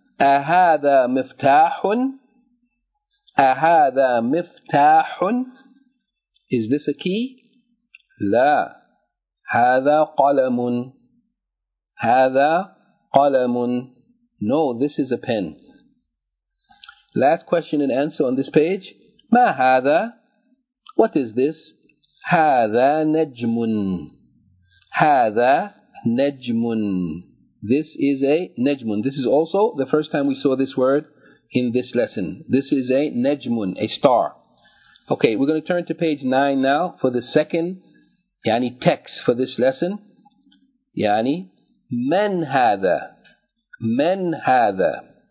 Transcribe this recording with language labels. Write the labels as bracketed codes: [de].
[ar] أَهَذَا مِفْتَاحٌ, أَهَذَا مِفْتَاحٌ, [en] is this a key? [ar] لَا. هَذَا قَلَمٌ, هَذَا قَلَمٌ, [en] no, this is a pen. Last question and answer on this page. [ar] مَا هَذَا, [en] what is this? [ar] هَذَا نَجْمٌ, هَذَا نَجْمٌ, [en] this is a [ar] نَجْمٌ. [en] This is also the first time we saw this word in this lesson. This is a نَجْمٌ, a star. Okay, we're going to turn to page 9 now for the second يعني text for this lesson. [ar] يعني من هذا, من هذا.